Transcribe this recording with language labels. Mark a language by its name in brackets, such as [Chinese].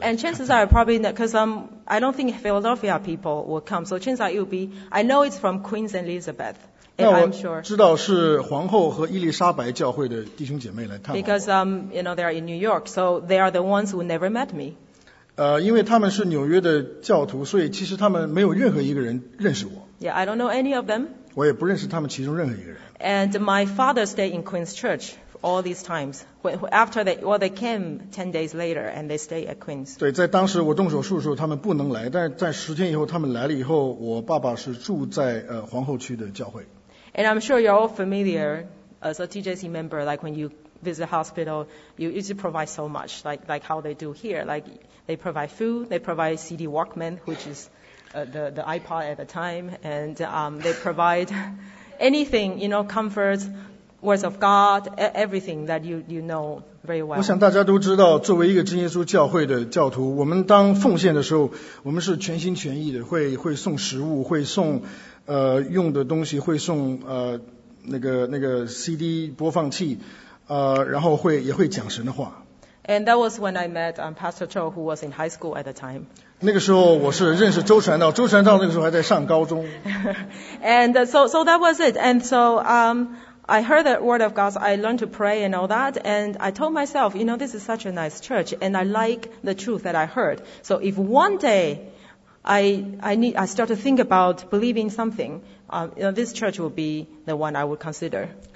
[English] And chances are probably not, because I don't think Philadelphia people will come. So chances are it will be, I know it's from Queens and Elizabeth. And I'm sure. [Chinese] 那我知道是皇后和伊丽莎白教会的弟兄姐妹来探望。 [English] Because you know they are in New York, so they are the ones who never met me. [Chinese] 因为他们是纽约的教徒，所以其实他们没有任何一个人认识我。 [English] Yeah, I don't know any of them. [Chinese] 我也不认识他们其中任何一个人。 [English] And my father stayed in Queen's Church all these times. After they came 10 days later, and they stayed at Queen's. [Chinese] 对，在当时我动手术的时候，他们不能来。但在十天以后，他们来了以后，我爸爸是住在皇后区的教会。 [English] And I'm sure you're all familiar as a TJC member. Like when you visit hospital, you usually provide so much, like how they do here. Like they provide food, they provide CD Walkman, which is the iPod at the time, and they provide. Anything, you know, comforts, words of God, everything that you know very well. [Chinese] 我想大家都知道，作为一个真耶稣教会的教徒，我们当奉献的时候，我们是全心全意的，会送食物，会送用的东西，会送那个 CD 播放器，然后会讲神的话。 [English] And that was when I met Pastor Cho, who was in high school at the time. [Chinese] 那个时候我是认识周传道，周传道那个时候还在上高中。 [English] And so that was it. And so I heard the word of God. So I learned to pray and all that. And I told myself, you know, this is such a nice church, and I like the truth that I heard. So if one day I start to think about believing something, you know, this church will be the one I would consider.